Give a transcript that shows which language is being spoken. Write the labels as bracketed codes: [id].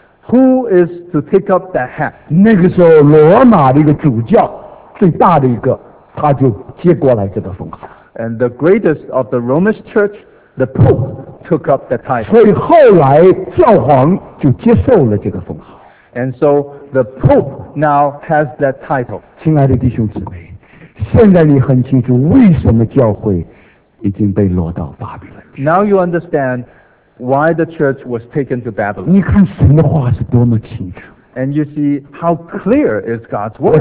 [en] ？Who is to take up that hat? [zh] 那个时候罗马的一个主教，最大的一个，他就接过来这个封号。 [en] And the greatest of the Roman Church. The Pope took up the title. [zh] 所以后来教皇就接受了这个封号。 [en] And so the Pope now has that title. [zh] 亲爱的弟兄姊妹，现在你很清楚为什么教会已经被落到巴比伦。 [en] Now you understand why the church was taken to Babylon. [zh] 你看神的话是多么清楚。 [en] And you see how clear is God's word.